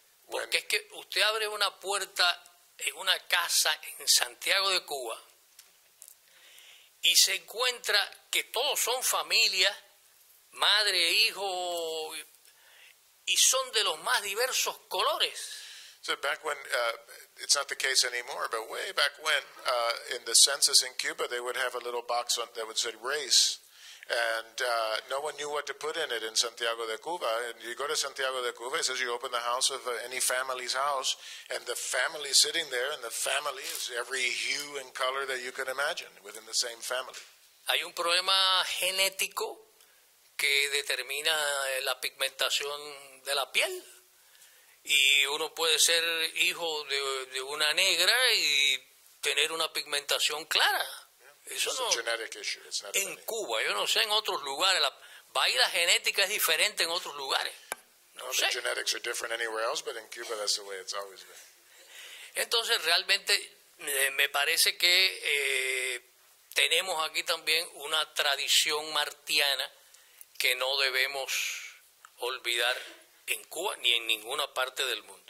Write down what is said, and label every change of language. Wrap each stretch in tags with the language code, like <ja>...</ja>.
<es>Porque es que usted abre una puerta en una casa en Santiago de Cuba y se encuentra que todos son familia, madre, hijo, y son de los más diversos colores.</es> <en>So back when, it's not the case anymore, but way back when, in the census in Cuba, they would have a little box that would say race, And no one knew what to put in it in Santiago de Cuba. And you go to Santiago de Cuba, it says you open the house of any family's house, and the family sitting there, and the family is every hue and color that you can imagine within the same family.</en> <es>Hay un problema genético que determina la pigmentación de la piel. Y uno puede ser hijo de una negra y tener una pigmentación clara. Eso no,</es> <en>it's a genetic issue. It's not</en> <es>en Cuba, yo no sé en otros lugares. La vaina genética es diferente en otros lugares. No, no sé.</es> <en>The genetics are different anywhere else, but in Cuba that's the way it's always been.</en> <es>Entonces realmente me parece que tenemos aquí también una tradición martiana que no debemos olvidar en Cuba ni en ninguna parte del mundo.</es>